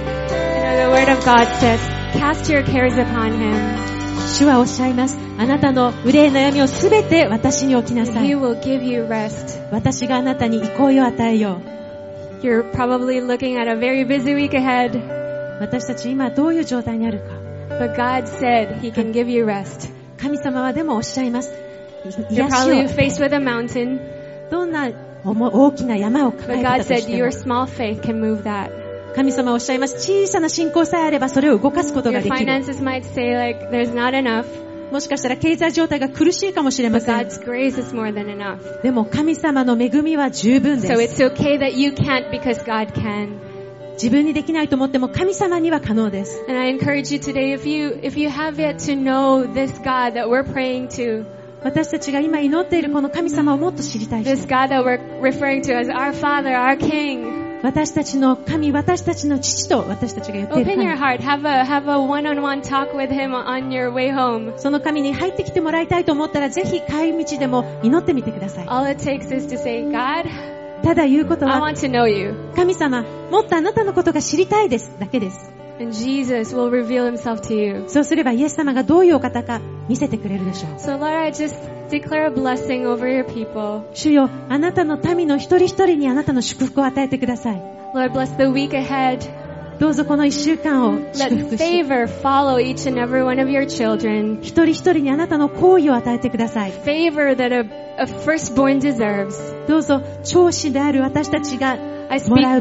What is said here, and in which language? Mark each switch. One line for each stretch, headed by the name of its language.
English: You know, the word of God says, cast your cares upon him.
Japanese: 主はおっしゃいます。あなたの憂い悩みをすべて私に置きなさい。
English: He will give you rest.
Japanese: 私があなたに憩いを与えよう。
English: You're probably looking at a very busy week ahead.
Japanese: 私たち今どういう状態にあるか。
English: But God said he can give you rest.
Japanese: 神様はでもおっしゃいます。
English: You're probably faced with a mountain.
Japanese: どんな大きな山を抱えたとしても。
English: But God said your small faith can move that.
Japanese: 神様はおっしゃいます。小さな信仰さえあればそれを動かすことができる。
English: Your finances might say like there's not enough.
Japanese: もしかしたら経済状態が苦しいかもしれません。
English: But God's grace is more than enough.
Japanese: でも神様の恵みは十分です。
English: So it's okay that you can't because God can.
Japanese: 自分にできないと思っても神様には可能です。
English: And I encourage you today, if you have yet to know this God that we're praying to,
Japanese: 私たちが今祈っているこの神様をもっと知りたい。
English: This God that we're referring to as our Father, our King.
Japanese: 私たちの神、私たちの父と私たちが言っている神。
English: Open your heart, have a one-on-one talk with Him on your way home.
Japanese: その神に入ってきてもらいたいと思ったら、ぜひ帰り道でも祈ってみてください。
English: All it takes is to say, God.
Japanese: ただ言うことは神様もっとあなたのことが知りたいですだけです。
English: And Jesus will reveal himself to you.
Japanese: そうすればイエス様がどういうお方か見せてくれるでしょう。
English: So Lord, I just declare a blessing over your people.
Japanese: 主よ、あなたの民の一人一人にあなたの祝福を与えてください。
English: Lord, bless the week ahead.
Japanese: どうぞこの一週間を祝福し。
English: Let favor follow each and every one of your children.
Japanese: 一人一人にあなたの好意を与えてください。
English: Favor that a firstborn deserves.
Japanese: どうぞ長子である私たちがもらう